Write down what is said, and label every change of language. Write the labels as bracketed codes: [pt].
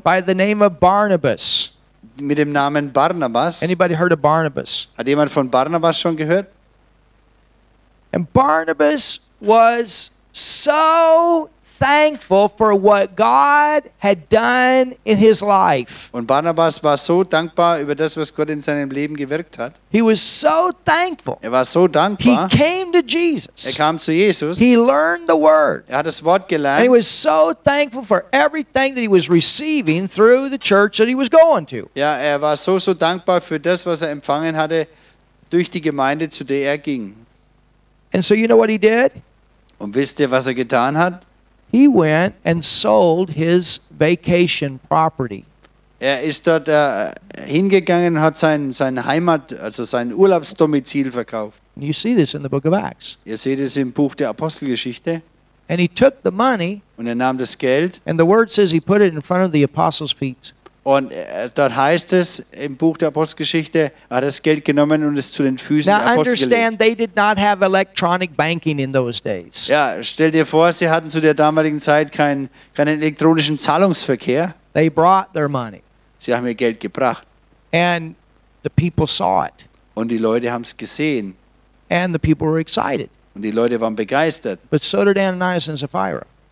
[en] by the name of Barnabas. [de] Mit dem Namen Barnabas. [en] Anybody heard of Barnabas? [de] Hat jemand von Barnabas schon gehört? [en] And Barnabas was so thankful for what God had done in his life. [de] Und Barnabas war so dankbar über das, was Gott in seinem Leben gewirkt hat. [en] He was so thankful. [de] Er war so dankbar. [en] He came to Jesus. [de] Er kam zu Jesus. [en] He learned the word. [de] Er hat das Wort gelernt. [en] And he was so thankful for everything that he was receiving through the church that he was going to. [de] Ja, er war so dankbar für das, was er empfangen hatte durch die Gemeinde, zu der er ging. [en] And so you know what he did? [de] Und wisst ihr, was er getan hat? [en] He went and sold his vacation property. [de] Er ist dort hingegangen und hat sein Heimat, also sein Urlaubsdomizil verkauft. [en] And you see this in the book of Acts. [de] Ihr seht es im Buch der Apostelgeschichte. [en] And he took the money. [de] Und er nahm das Geld. [en] And the word says he put it in front of the apostles' feet. [de] Und dort heißt es im Buch der Apostelgeschichte, er hat das Geld genommen und es zu den Füßen der Apostel gelegt. [en] Now understand, they did not have electronic banking in those days. [de] Ja, stell dir vor, sie hatten zu der damaligen Zeit keinen elektronischen Zahlungsverkehr. [en] They brought their money. [de] Sie haben ihr Geld gebracht. [en] And the people saw it. [de] Und die Leute haben es gesehen. [en] And the people were excited. [de] Und die Leute waren begeistert. [en] But so did Ananias and Sapphira.